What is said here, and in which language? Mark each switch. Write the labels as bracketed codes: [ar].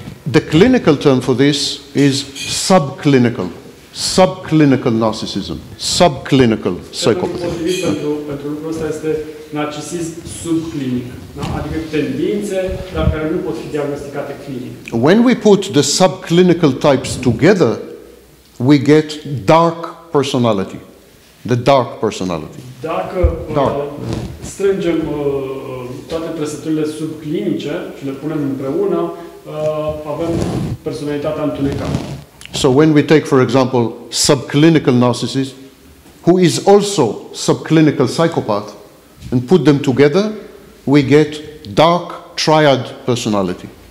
[en] The clinical term for this is subclinical. Subclinical narcissism. Subclinical psychopathy. [ro] Pentru lucrul ăsta este narcisism subclinic. Adică tendințe, dar care nu pot fi diagnosticate clinic. [en] When we put the subclinical types together, we get dark personality. The dark personality. [ro] Dacă strângem toate trăsăturile subclinice și le punem împreună, avem personalitatea întunecată. [en] So when we take, for example, subclinical narcissist, who is also subclinical psychopath, and put them together, we get dark triad personality.